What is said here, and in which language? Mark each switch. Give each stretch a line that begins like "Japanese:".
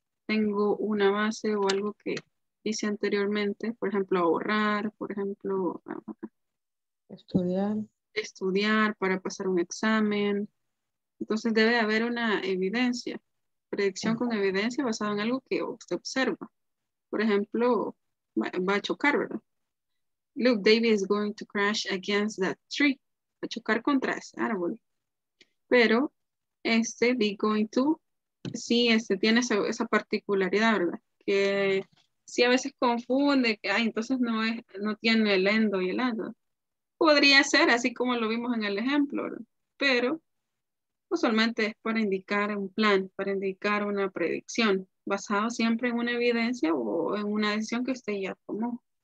Spanish: Tengo una base o algo que hice anteriormente, por ejemplo, ahorrar, por ejemplo, estudiar para pasar un examen. Entonces debe haber una evidencia, predicción con evidencia basada en algo que usted observa. Por ejemplo, va a chocar, ¿verdad?
English: Look, David is going to crash against that tree.
Spanish: Va a chocar contra ese árbol. Pero este be going to, sí, tiene esa particularidad, ¿verdad? Que sí, a veces confunde, que ay, entonces no es, no tiene el endo y el ando. Podría ser así como lo vimos en el ejemplo, ¿no? Pero usualmente es para indicar un plan, para indicar una predicción, basado siempre en una evidencia o en una decisión que usted ya tomó.